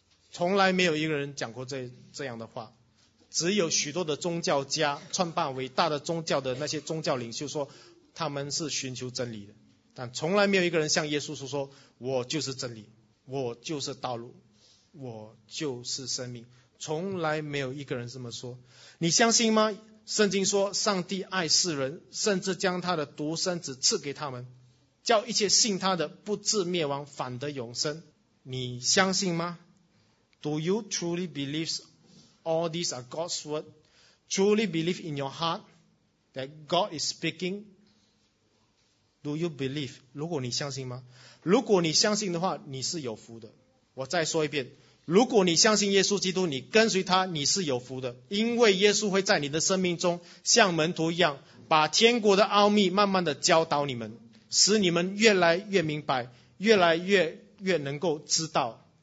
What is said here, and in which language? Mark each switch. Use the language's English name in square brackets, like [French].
[Chinese] 从来没有一个人讲过这样的话，只有许多的宗教家创办伟大的宗教的那些宗教领袖说他们是寻求真理的，但从来没有一个人像耶稣说我就是真理，我就是道路，我就是生命，从来没有一个人这么说。你相信吗？圣经说上帝爱世人，甚至将他的独生子赐给他们，叫一切信他的不至灭亡，反得永生。你相信吗？ [English] Do you truly believe all these are God's word? Truly believe in your heart that God is speaking? Do you believe? [Chinese] 如果你相信吗？如果你相信的话，你是有福的。我再说一遍，如果你相信耶稣基督，你跟随他，你是有福的，因为耶稣会在你的生命中像门徒一样，把天国的奥秘慢慢的教导你们，使你们越来越明白，越来越能够知道。